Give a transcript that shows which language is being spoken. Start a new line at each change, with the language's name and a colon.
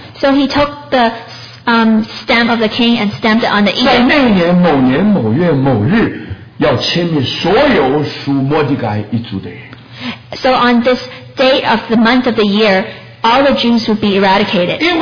English: So he took the stamp of the king and stamped it on the edict.
Chinese: 在那年某年某月某日要签名所有属摩迪该一族的人。
English: So on this date of the month of the year,all the Jews would be eradicated.